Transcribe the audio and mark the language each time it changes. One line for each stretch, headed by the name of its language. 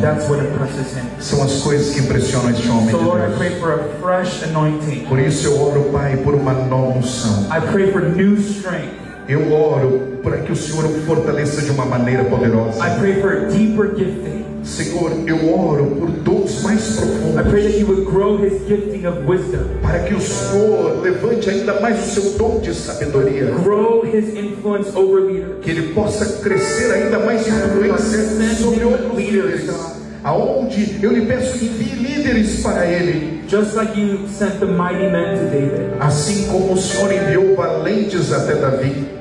English: That's what impresses him.
Portuguese: São as coisas que impressionam este homem.
English: So
Portuguese: de
English: Lord,
Portuguese: Deus.
English: I pray for a fresh anointing.
Portuguese: Por isso eu oro, Pai, por uma nova unção.
English: I pray for new strength.
Portuguese: Eu oro para que o Senhor o fortaleça de uma maneira poderosa.
English: I pray for a deeper gifting.
Portuguese: Senhor, eu oro por dons mais profundos.
English: I pray that you would grow his gifting of wisdom.
Portuguese: Para que o Senhor levante ainda mais o seu dom de sabedoria.
English: Grow his influence over leaders.
Portuguese: Que ele possa crescer ainda mais influência sobre outros líderes. Aonde eu lhe peço que envie líderes para ele.
English: Just like you sent the mighty men to David.
Portuguese: Assim como o Senhor enviou valentes até Davi.